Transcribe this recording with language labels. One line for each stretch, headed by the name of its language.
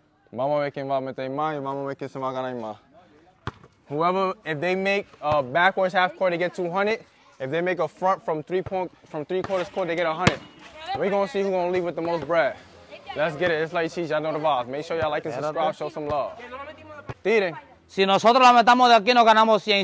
Spanish: Vamos a ver quién va a meter más y vamos a ver quién se va a ganar más.
English: Whoever, if they make a backwards half court, they get 200. If they make a front from three quarters court, they get 100. We're going to see who's going to leave with the most bread. Let's get it. It's like cheese. Y'all know the vibes. Make sure y'all like and subscribe. Show some love.
Spanish: Tiren. Si nosotros la metamos de aquí, nos ganamos 100.